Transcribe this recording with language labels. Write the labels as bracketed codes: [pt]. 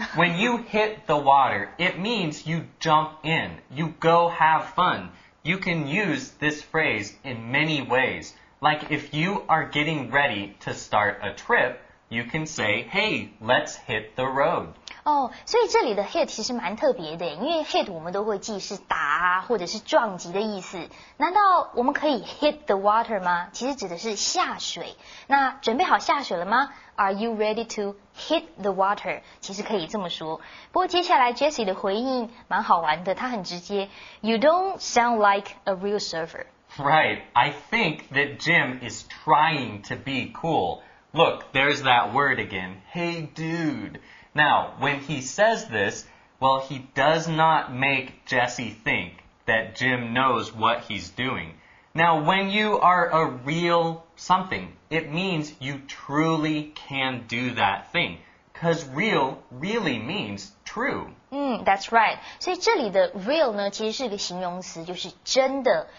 [en] When you hit the water, it means you jump in. You go have fun. You can use this phrase in many ways. Like, if you are getting ready to start a trip, you can say, hey, let's hit the road. [zh] 所以这里的 hit 其实蛮特别的，因为 hit 我们都会记是打啊，或者是撞击的意思。难道我们可以 hit the water 吗？其实指的是下水。 [en] 那准备好下水了吗？ Are you ready to hit the water? [zh] 其实可以这么说。不过接下来 Jesse 的回应蛮好玩的，他很直接。 [en] You don't sound like a real surfer. Right. I think that Jim is trying to be cool. Look, there's that word again. Hey, dude. Now, when he says this, well, he does not make Jesse think that Jim knows what he's doing. Now, when you are a real something, it means you truly can do that thing. Because real really means true. That's right. [zh] 所以这里的 real 呢其实是个形容词，就是真的。